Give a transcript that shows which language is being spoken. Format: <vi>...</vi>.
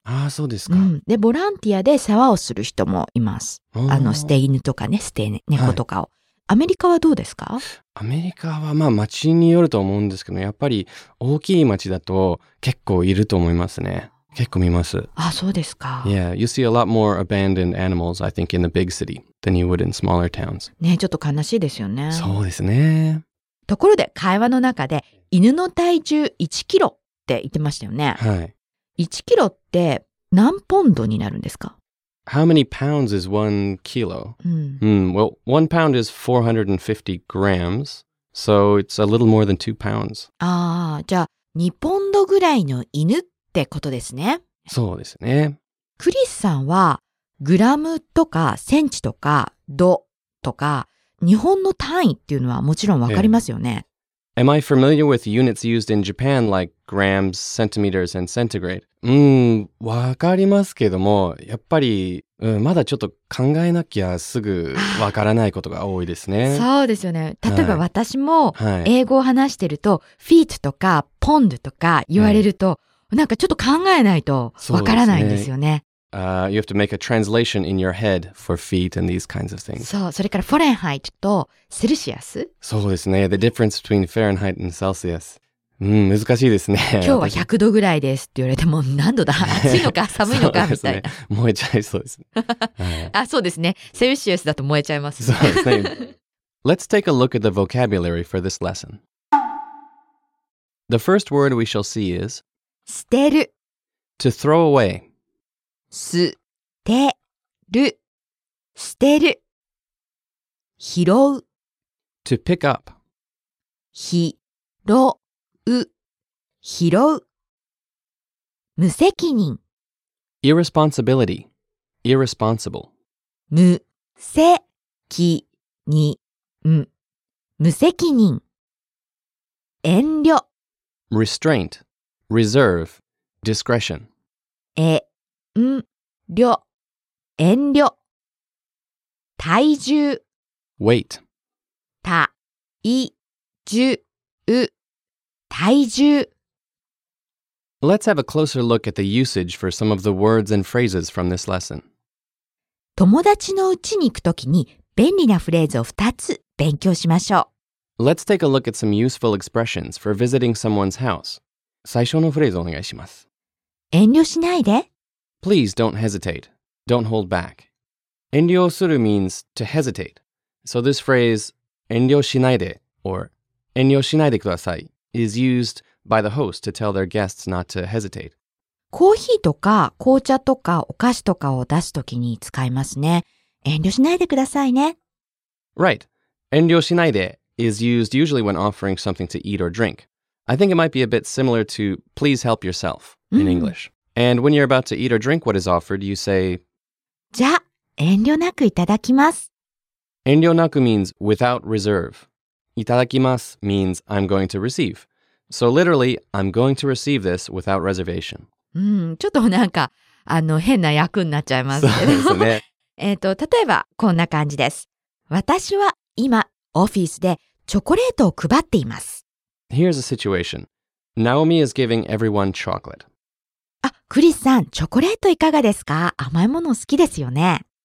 <ja>ああ、そうですか、うん。で、ボランティアで世話をする人もいます。あの捨て犬とかね、捨て猫とかを。はい、アメリカはどうですか？アメリカはまあ町によると思うんですけど、やっぱり大きい町だと結構いると思いますね。結構見ます。あ、そうですか。</ja> <en>Yeah, you see a lot more abandoned animals, I think, in the big city than you would in smaller towns.</en> <ja>ね、ちょっと悲しいですよね。そうですね。ところで、会話の中で、犬の体重1キロって言ってましたよね。はい。 1キロって何ポンドになるんですか？</ja> <en>How many pounds is 1 kilo? Well, 1 pound is 450 grams, so it's a little more than 2 pounds.</en> <ja>ああ、じゃあ、2ポンドぐらいの犬ってことですね。そうですね。クリスさんはグラムとかセンチとかドとか日本の単位っていうのはもちろんわかりますよね。</ja> <en>Am I familiar with units used in Japan like grams, centimeters, and centigrade?</en> <ja>わかりますけども、やっぱり、まだちょっと考えなきゃすぐわからないことが多いですね。そうですよね。例えば私も英語を話してると、はい、フィートとかポンドとか言われると、はい、なんかちょっと考えないとわからないんですよね。</ja> <en>You have to make a translation in your head for feet and these kinds of things.</en> <ja>そう、それからフォレンハイトとセルシアス。そうですね。</ja> <en>The difference between Fahrenheit and Celsius.</en> <ja>難しいですね。今日は100度ぐらいですって言われても何度だ？暑いのか寒いのかみたいな。燃えちゃいそうですね。あ、そうですね。セルシアスだと燃えちゃいます。そうですね。</ja> <en>Let's take a look at the vocabulary for this lesson. The first word we shall see is...</en> <ja>捨てる</ja> <en>To throw away</en> <ja>捨てる捨てる拾う</ja> <en>To pick up</en> <ja>拾う拾う無責任</ja> <en>Irresponsibility Irresponsible</en> <ja>無責任無責任遠慮</ja> <en>Restraint Reserve, discretion.</en> <ja>遠慮遠慮体重</ja> <en>Weight.</en> <ja>体重体重</ja> <en>Let's have a closer look at the usage for some of the words and phrases from this lesson.</en> <ja>友達の家に行くときに便利なフレーズを2つ勉強しましょう。</ja> <en>Let's take a look at some useful expressions for visiting someone's house.</en> <ja>最初のフレーズお願いします。遠慮しないで。</ja> <en>Please don't hesitate. Don't hold back. 遠慮する means to hesitate. So this phrase, 遠慮しないで or</en> <ja>遠慮しないでください</ja> <en>is used by the host to tell their guests not to hesitate.</en> <ja>コーヒーとか紅茶とかお菓子とかを出すときに使いますね。遠慮しないでくださいね。</ja> <en>Right. 遠慮しないで is used usually when offering something to eat or drink. I think it might be a bit similar to please help yourself in English. And when you're about to eat or drink what is offered, you say,</en> <ja>じゃあ、遠慮なくいただきます。</ja> <en>遠慮なく means without reserve. いただきます means I'm going to receive. So literally, I'm going to receive this without reservation.</en> <ja>ちょっとなんか、変な訳になっちゃいますけど。そうですね。例えばこんな感じです。私は今、オフィスでチョコレートを配っています。</ja> <en>Here's a situation. Naomi is giving everyone chocolate.</en> <ja>あ、クリスさん、チョコレートいかがですか？甘いもの好きですよね。</ja>